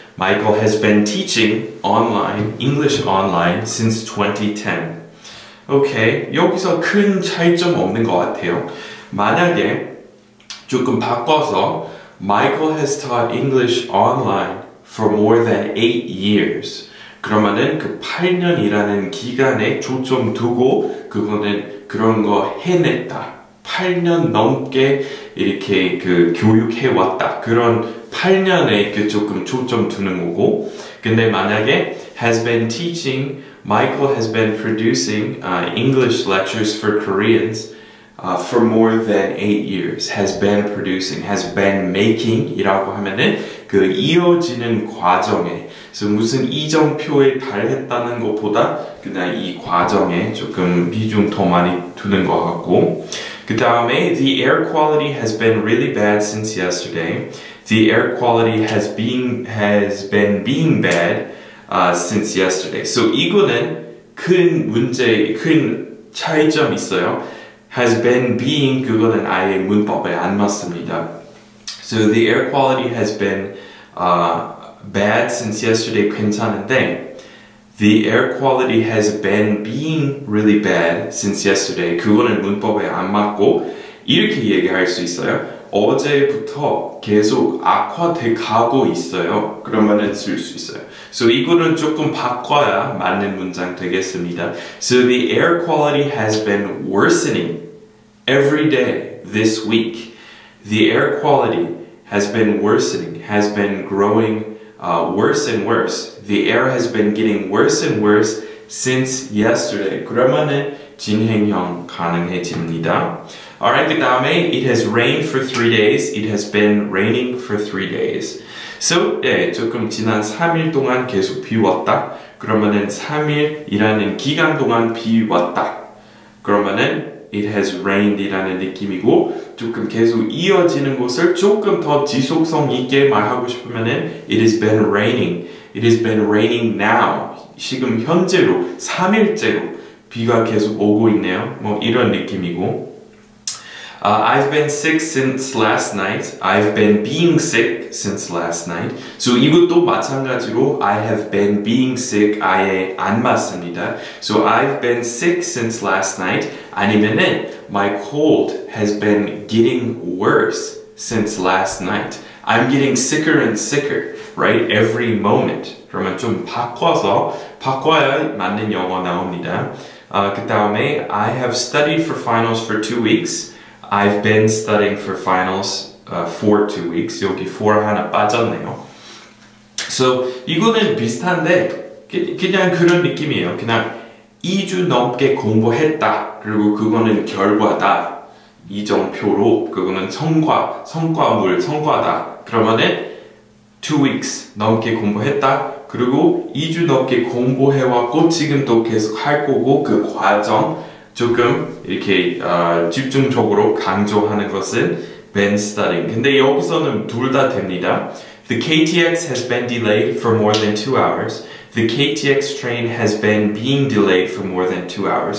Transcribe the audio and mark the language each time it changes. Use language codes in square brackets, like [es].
[en] Michael has been teaching online, English online since 2010. Okay. [ko] 여기서 큰 차이점 없는 것 같아요. 만약에 조금 바꿔서 [en] Michael has taught English online for more than 8 years. [ko] 그러면은 그 8년이라는 기간에 초점 두고 그거는 그런 거 해냈다. 8년 넘게 이렇게 그 교육해 왔다. 그런 8년에 그 조금 초점 두는 거고. 근데 만약에 [en] has been teaching, Michael has been producing English lectures for Koreans. For more than 8 years, has been producing, has been making [ko] 이라고 하면은 그 이어지는 과정에, 그래서 무슨 이정표에 달했다는 것보다 그냥 이 과정에 조금 비중 더 많이 두는 것 같고. 그 다음에 [en] the air quality has been really bad since yesterday. The air quality has been bad since yesterday. [ko] So 이거는 큰 문제, 큰 차이점 있어요. [en] has been being [ko] 그거는 아예 문법에 안 맞습니다. [en] So the air quality has been bad since yesterday [ko] 괜찮은데 [en] the air quality has been being really bad since yesterday [ko] 그거는 문법에 안 맞고 이렇게 얘기할 수 있어요. 어제부터 계속 악화돼 가고 있어요. 그러면은 쓸수 있어요. So 이거는 조금 바꿔야 맞는 문장 되겠습니다. [en] So the air quality has been worsening every day this week. The air quality has been worsening, has been growing worse and worse. The air has been getting worse and worse since yesterday. [ko] 그러면은 진행형 가능해집니다. [en] Alright, [ko] 그 다음에 [en] it has rained for 3 days. It has been raining for 3 days. [ko] So, 예, 조금 지난 3일 동안 계속 비 왔다. 그러면은 3일이라는 기간 동안 비 왔다. 그러면은 [en] It has rained [ko] 이라는 느낌이고 조금 계속 이어지는 것을 조금 더 지속성 있게 말하고 싶으면은 [en] It has been raining. It has been raining now. [ko] 지금 현재로 3일째로 비가 계속 오고 있네요. 뭐 이런 느낌이고 [en] I've been sick since last night. I've been being sick since last night. So [ko] 이것도 마찬가지로 [en] I have been being sick [ko] 아예 안 맞습니다. [en] So I've been sick since last night. 아니면은 My cold has been getting worse since last night. I'm getting sicker and sicker, right? Every moment. [ko] 그러면 좀 바꿔서 바꿔야 맞는 영어 나옵니다. [en] 그 다음에 I have studied for finals for 2 weeks. I've been studying for finals for 2 weeks. [ko] 여기 for 하나 빠졌네요. So 이거는 비슷한데 그냥 그런 느낌이에요. 그냥 2주 넘게 공부했다. 그리고 그거는 결과다. 이정표로 그거는 성과, 성과물, 성과다. 그러면은 2 weeks 넘게 공부했다. 그리고 2주 넘게 공부해왔고 지금도 계속 할 거고 그 과정 조금 이렇게 집중적으로 강조하는 것은 [en] band studying. [ko] 근데 여기서는 둘 다 됩니다. [en] The KTX has been delayed for more than 2 hours. The KTX train has been being delayed for more than 2 hours.